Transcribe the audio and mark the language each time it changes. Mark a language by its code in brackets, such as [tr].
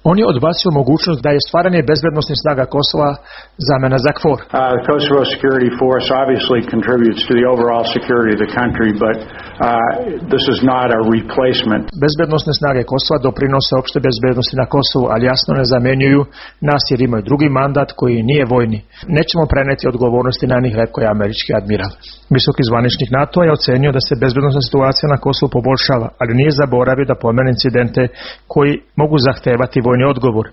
[sr] On je odbacio mogućnost da je stvaranje bezbednosnih snaga Kosova zamena za KFOR. [en] Kosovo security force obviously contributes to the overall security of the country, but this is not a replacement. [sr] Bezbednosne snage Kosova doprinose opšte bezbednosti na Kosovu, ali jasno ne zamenjuju nas jer imaju drugi mandat koji nije vojni. Nećemo preneti odgovornost na njih, rekao je američki admiral. Visoki zvaničnik NATO je ocenio da se bezbednosna situacija na Kosovu poboljšava, ali nije zaboravio da pomene incidente koji mogu zahtevati vojni odgovor.